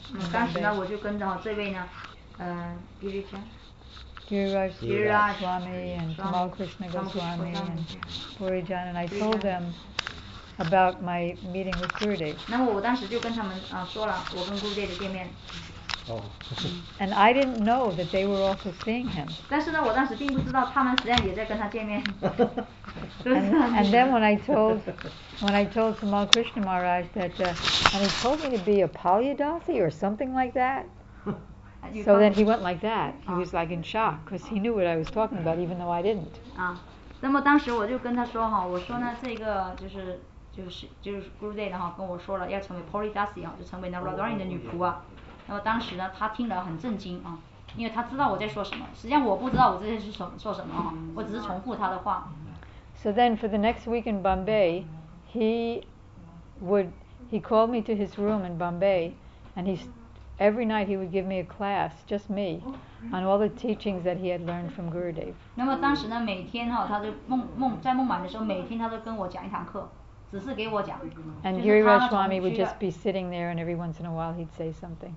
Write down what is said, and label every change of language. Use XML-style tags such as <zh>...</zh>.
<en>In Giriraj Swami and Kamal Krishna Goswami and Purijan and I told them about my meeting with Gurudev.</en> <zh>那么我当时就跟他们说了我跟 Gurudev 的见面。</zh> <en>And I didn't know that they were also seeing him.</en> <zh>但是呢，我当时并不知道他们实际上也在跟他见面。</zh> <en>And then when I told Samal Krishna Maharaj that, and he told me to be a Palyadasi or something like that. So then he went like that. He was like in shock because he knew what I was talking about, even though I didn't.</en> <zh>那么当时我就跟他说，我说呢，这个就是 Gurudev 跟我说了要成为 Palyadasi 就成为那 Radharani 的女仆。那么当时呢，他听了很震惊。因为他知道我在说什么，实际上我不知道我这些是什么说什么哈，我只是重复他的话。</zh> <en>So then for the next week in Bombay, he called me to his room in Bombay, and every night he would give me a class, just me, on all the teachings that he had learned from Gurudev.</en> <zh>那么当时呢，每天哈，他就在孟买的时候，每天他都跟我讲一堂课。只是给我讲,</zh> <en>and Giri Rajaswami would just be sitting there and every once in a while he'd say something.</en>